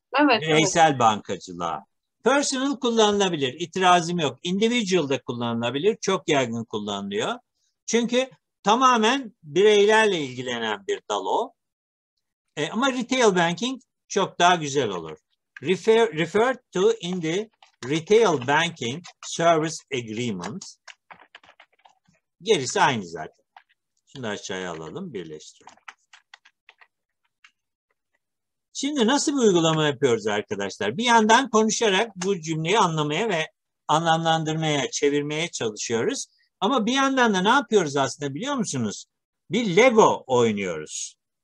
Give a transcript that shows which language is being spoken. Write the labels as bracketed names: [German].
[Turkish] Evet. Bireysel evet. Bankacılığa. Personal kullanılabilir, itirazım yok. Individual da kullanılabilir, çok yaygın kullanılıyor. Çünkü tamamen bireylerle ilgilenen bir dal o. Ama retail banking çok daha güzel olur. [English] Referred to in the retail banking service agreement. [Turkish] Gerisi aynı zaten. Şunu aşağıya alalım, birleştirelim. Şimdi nasıl bir uygulama yapıyoruz arkadaşlar? Bir yandan konuşarak bu cümleyi anlamaya ve anlamlandırmaya, çevirmeye çalışıyoruz. Ama bir yandan da ne yapıyoruz aslında biliyor musunuz? Bir Lego oynuyoruz.